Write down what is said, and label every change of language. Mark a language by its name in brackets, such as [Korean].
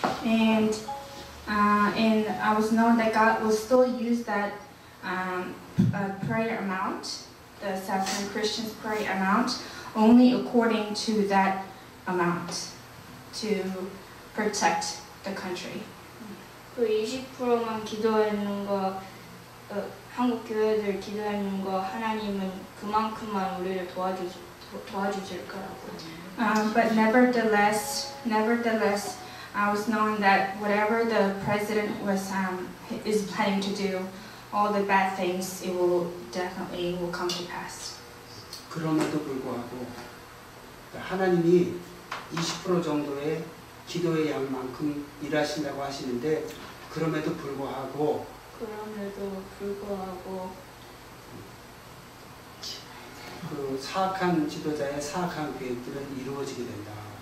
[English] And I was known that God will still use that prayer amount, the South Korean Christians prayer amount, only according to that amount to protect the country. [Korean] 그 20%만 기도하는 거, 한국 교회들 기도하는 거, 하나님은 그만큼만 우리를 도와주셨다. 도와주실 거라고. [English] But nevertheless, I was knowing that whatever the president was is planning to do, all the bad things, it will definitely will come to pass. [Korean] 그럼에도 불구하고 하나님이 20% 정도의 기도의 양만큼 일하신다고 하시는데 그럼에도 불구하고 그 사악한 지도자의 사악한 계획들은 이루어지게 된다.